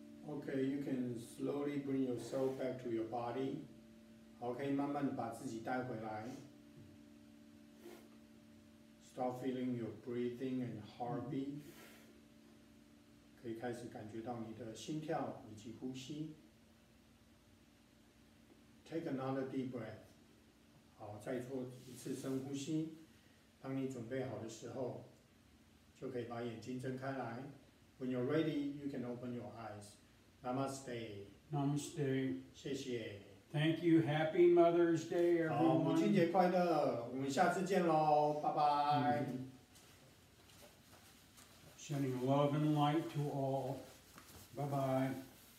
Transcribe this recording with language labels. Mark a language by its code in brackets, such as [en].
[en] Okay, you can slowly bring yourself back to your body. [zh] Okay, 慢慢地把自己带回来。 [en] Start feeling your breathing and heartbeat. [zh] 可以开始感觉到你的心跳以及呼吸。 [en] Take another deep breath. [zh] 好，再做一次深呼吸。当你准备好的时候，就可以把眼睛睁开来。 [en] When you're ready, you can open your eyes. Namaste. Namaste. [zh] 谢谢。 [en] Thank you. Happy Mother's Day, everyone. [zh] 母亲节快乐！我们下次见喽，拜拜。Mm-hmm. [en] Sending love and light to all. Bye bye.